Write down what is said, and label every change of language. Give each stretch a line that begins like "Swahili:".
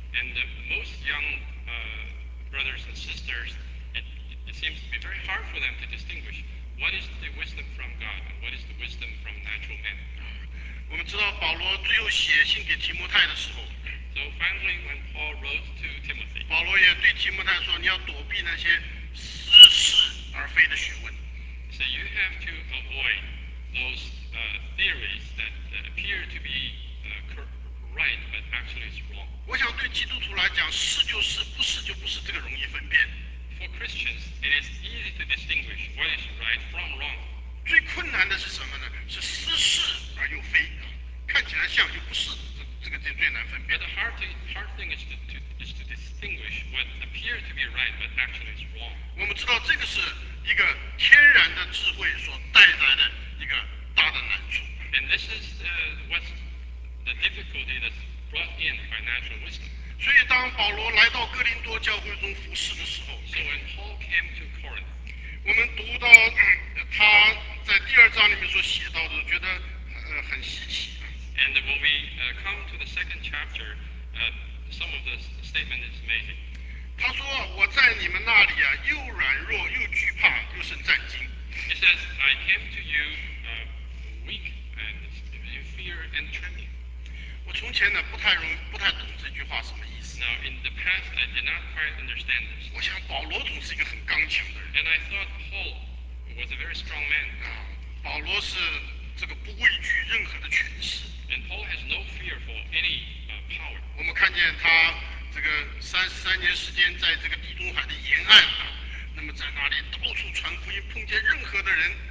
English: And most young brothers and sisters, it seems to be very hard for them to distinguish what is the wisdom from God and what is the wisdom from natural man.
Chinese: 我们知道保罗最后写信给提摩太的时候。
English: So finally, when Paul wrote to Timothy,
Chinese: 保罗也对提摩太说，你要躲避那些似是而非的学问。
English: So you have to avoid those theories that appear to be right, but actually it's wrong.
Chinese: 我想对基督徒来讲，是就是，不是就不是，这个容易分辨。
English: For Christians, it is easy to distinguish what is right from wrong.
Chinese: 最困难的是什么呢？是似是而又非，看起来像又不是，这个最难分辨。
English: But the hard thing is to distinguish what appears to be right, but actually is wrong.
Chinese: 我们知道这个是一个天然的智慧所带来的一个大的难处。
English: And this is what's the difficulty that's brought in by natural wisdom.
Chinese: 所以当保罗来到哥林多教会中服事的时候
English: ，So when Paul came to Corinth,
Chinese: 我们读到他在第二章里面所写到的，觉得很稀奇。
English: And when we come to the second chapter, some of the statement is amazing.
Chinese: 他说我在你们那里啊，又软弱又惧怕又甚战惊。
English: He says, I came to you weak. And fear and trembling.
Chinese: 我从前呢不太懂这句话什么意思。
English: Now in the past I did not quite understand this.
Chinese: 我想保罗总是一个很刚强的人。
English: And I thought Paul was a very strong man.
Chinese: 保罗是这个不畏惧任何的权势。
English: And Paul has no fear for any power.
Chinese: 我们看见他这个33年时间在这个地中海的沿岸啊，那么在那里到处传福音，碰见任何的人。